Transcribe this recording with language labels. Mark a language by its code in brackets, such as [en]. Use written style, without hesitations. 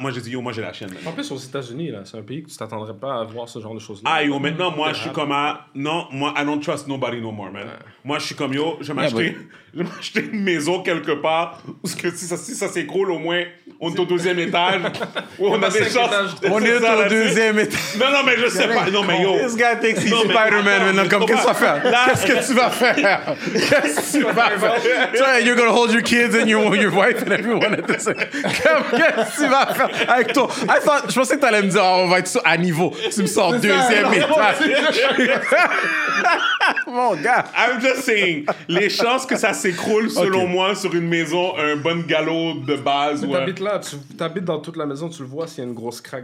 [fr] Moi, j'ai dit, yo, moi, j'ai la chienne. En plus, aux États-Unis, là, c'est un pays que tu t'attendrais pas à voir ce genre de choses-là. Ah, yo, maintenant, moi, je suis comme à. Non, moi, [en] I don't trust nobody no more, man. [fr] Moi, je suis comme, yo, je vais m'acheter une maison quelque part. Parce que si ça s'écroule, au moins, on est au deuxième étage. On a des chances. On est au deuxième étage. Non, non, mais je sais pas. Non, mais yo. [en] This guy thinks he's Spider-Man [fr] maintenant. Comme, qu'est-ce que tu vas faire? Qu'est-ce que tu vas faire? Qu'est-ce que tu vas faire? [en] So, you're going to hold your kids and your wife and everyone at the same time. [fr] Qu'est-ce que tu vas faire avec toi? Je pensais que tu allais me dire, on va être à niveau. Tu me sors deuxième étage. Mon gars. [en] Just saying, [fr] les chances que ça s'écroule selon okay. moi sur une maison, un bon galop de base. Mais t'habites là, t'habites dans toute la maison, tu le vois s'il y a une grosse craque.